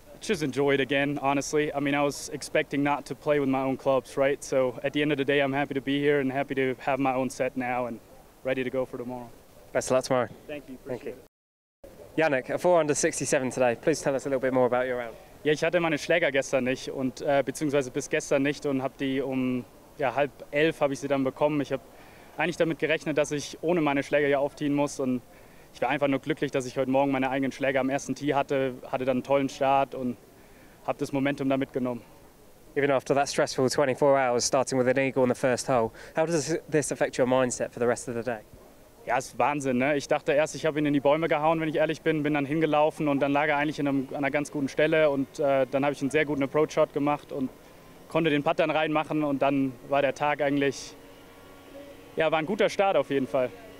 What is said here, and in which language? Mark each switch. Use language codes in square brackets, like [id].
[en] just enjoy it again, honestly. I mean, I was expecting not to play with my own clubs, right? So at the end of the day, I'm happy to be here and happy to have my own set now and ready to go for tomorrow. Best of luck tomorrow. Thank you. Yannick, a 4 under 67 today. Please tell us a little bit more about your round. [de] Ja, ich hatte meine Schläger gestern nicht und beziehungsweise bis gestern nicht und habe die um ja, 10:30 habe ich sie dann bekommen. Ich habe eigentlich damit gerechnet, dass ich ohne meine Schläger hier aufziehen muss, und ich war einfach nur glücklich, dass ich heute Morgen meine eigenen Schläger am ersten Tee hatte. Hatte dann einen tollen Start und habe das Momentum da mitgenommen. [en] Even after that stressful 24 hours, starting with an eagle on the first hole, how does this affect your mindset for the rest of the day? [de] Ja, ist Wahnsinn, ne? Ich dachte erst, ich habe ihn in die Bäume gehauen, wenn ich ehrlich bin. Bin dann hingelaufen und dann lag er eigentlich an einer ganz guten Stelle. Und dann habe ich einen sehr guten Approach-Shot gemacht und konnte den Putt dann reinmachen. Und dann war der Tag eigentlich, ja, war ein guter Start auf jeden Fall.